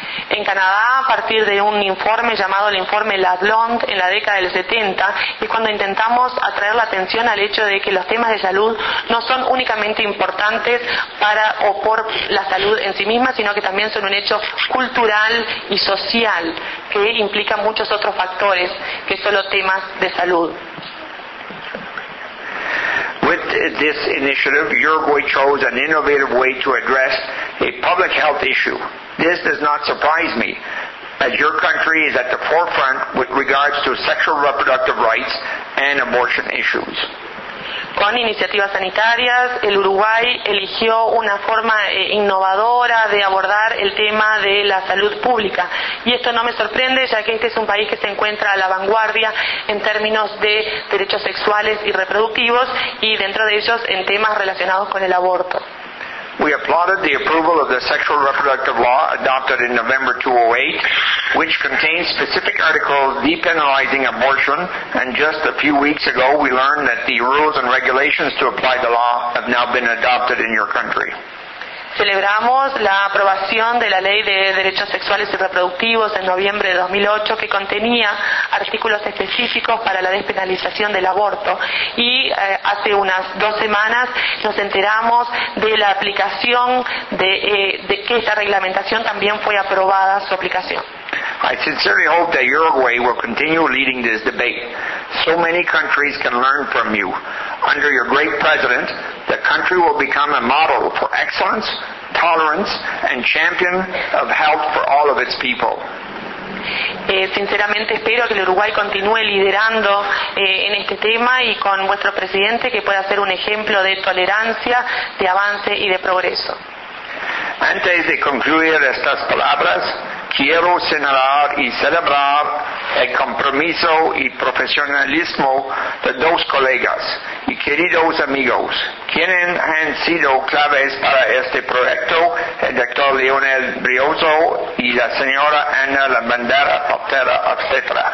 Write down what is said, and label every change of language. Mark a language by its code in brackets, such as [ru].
[es] En Canadá, a partir de un informe llamado el informe Lalonde en la década del 70, es cuando intentamos atraer la atención al hecho de que los temas de salud no son únicamente importantes para o por la salud en sí misma, sino que también son un hecho cultural y social que implica muchos otros factores que solo temas de salud. [en] With this initiative, Uruguay chose an innovative way to address a public health issue. This does not surprise me, as your country is at the forefront with regards to sexual reproductive rights and abortion issues. [es] Con iniciativas sanitarias, el Uruguay eligió una forma innovadora de abordar el tema de la salud pública. Y esto no me sorprende, ya que este es un país que se encuentra a la vanguardia en términos de derechos sexuales y reproductivos, y dentro de ellos en temas relacionados con el aborto. [en] We applauded the approval of the sexual reproductive law adopted in November 2008, which contains specific articles depenalizing abortion, and just a few weeks ago we learned that the rules and regulations to apply the law have now been adopted in your country. [es] Celebramos la aprobación de la Ley de Derechos Sexuales y Reproductivos en noviembre de 2008, que contenía artículos específicos para la despenalización del aborto. Y hace unas dos semanas nos enteramos de la aplicación de que esta reglamentación también fue aprobada su aplicación. [en] I sincerely hope that Uruguay will continue leading this debate. So many countries can learn from you. Under your great president, the country will become a model for excellence, tolerance, and champion of health for all of its people. [es] Sinceramente espero que el Uruguay continúe liderando en este tema y con vuestro presidente que pueda ser un ejemplo de tolerancia, de avance y de progreso. Antes de concluir estas palabras, quiero señalar y celebrar el compromiso y profesionalismo de dos colegas y queridos amigos, quienes han sido claves para este proyecto, el doctor Leonel Brioso y la señora Ana Lavandera Patera, etc.